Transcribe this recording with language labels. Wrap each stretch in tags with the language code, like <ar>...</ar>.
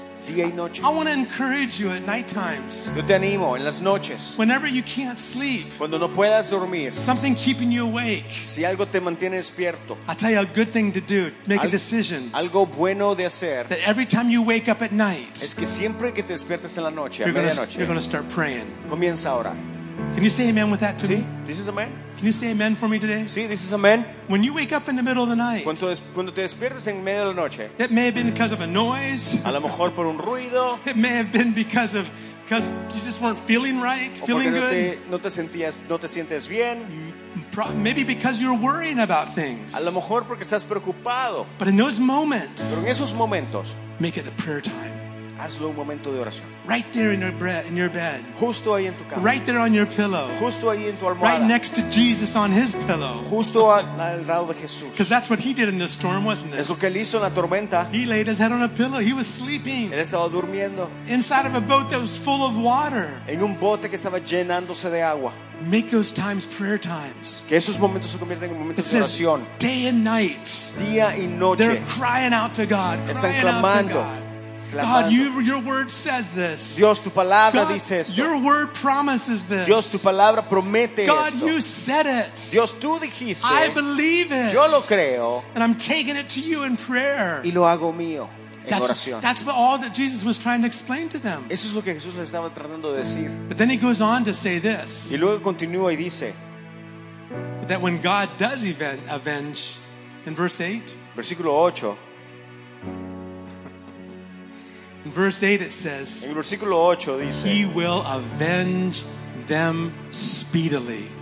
<es>Día y noche.</es> <en>I want to encourage you at night times.</en> <es>Yo te animo en las noches.</es> <en>Whenever you can't sleep.</en> <es>Cuando no puedas dormir.</es> <en>Something keeping you awake.</en> <es>Si algo te mantiene despierto.</es> <en>I'll tell you a good thing to do. Make a decision.</en> <es>Algo bueno de hacer.</es> <en>That every time you wake up at night.</en> <es>Es que siempre que te despiertes en la noche, a medianoche.</es> <en>You're going to start praying.</en> <es>Comienza a orar.</es> <en>Can you say amen with that to</en> <es>sí,</es> <en>me? This is amen. Can you say amen for me today? Sí, this is amen. When you wake up in the middle of the night.</en> <es>Cuando te despiertas en medio de la noche.</es> <en>It may have been because of a noise.</en> <es>A lo mejor por un ruido.</es> <en>It may have been because you just weren't feeling right, feeling good.</en> <es>No te sientes bien.</es> <en>maybe because you're worrying about things.</en> <es>A lo mejor porque estás preocupado.</es> <en>But in those moments,</en> <es>pero en esos momentos,</es> <en>make it a prayer time.</en> <es>Hazlo un momento de oración.</es> <en>Right there in your bed.</en> <es>Justo ahí en tu cama.</es> <en>Right there on your pillow.</en> <es>Justo ahí en tu almohada.</es> <en>Right next to Jesus on his pillow.</en> <es>Justo al lado de Jesús.</es> <en>Because that's what he did in the storm, wasn't it?</en> <es>Es lo que él hizo en la tormenta.</es> <en>He laid his head on a pillow. He was sleeping.</en> <es>Él estaba durmiendo.</es> <en>Inside of a boat that was full of water.</en> <es>En un bote que estaba llenándose de agua.</es> <en>Make those times prayer times.</en> <es>Que esos momentos se convierten en momentos de oración.</es> <en>Day and night.</en> <es>Día y noche.</es> <en>They're crying out to God.</en> <es>Están clamando.</es> <en>God, your word says this.</en> <es>Dios, tu palabra dice esto.</es> <en>Your word promises this.</en> <es>Dios, tu palabra promete esto.</es> <en>God, you said it.</en> <es>Dios, tú dijiste.</es> <en>I believe it.</en> <es>Yo lo creo.</es> <en>And I'm taking it to you in prayer.</en> <es>Y lo hago mío en oración.</es> <en>That's all that Jesus was trying to explain to them.</en> <es>Eso es lo que Jesús les estaba tratando de decir.</es> <en>But then he goes on to say this.</en> <es>Y luego continúa y dice.</es> <en>But that when God does avenge, in verse 8.</en> <es>Versículo 8.</es> <en>In verse 8 it says,</en> <es>en el versículo 8 dice,</es> <en>he will avenge them speedily.</en>